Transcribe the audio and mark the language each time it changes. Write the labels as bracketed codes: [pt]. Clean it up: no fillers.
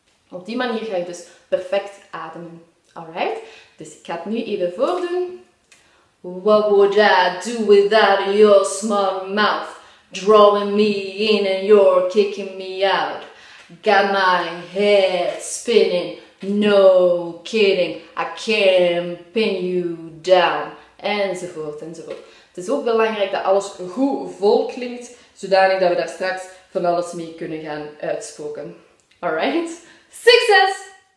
[nl] Op die manier ga je dus perfect ademen. Alright? Dus ik ga het nu even voordoen. [en] What would I do without your small mouth? Drawing me in and you're kicking me out. Got my head spinning, no kidding. I can't pin you down. [nl] Enzovoort, enzovoort. Het is ook belangrijk dat alles goed vol klinkt, zodanig dat we daar straks van alles mee kunnen gaan uitspoken. [en] Alright, success!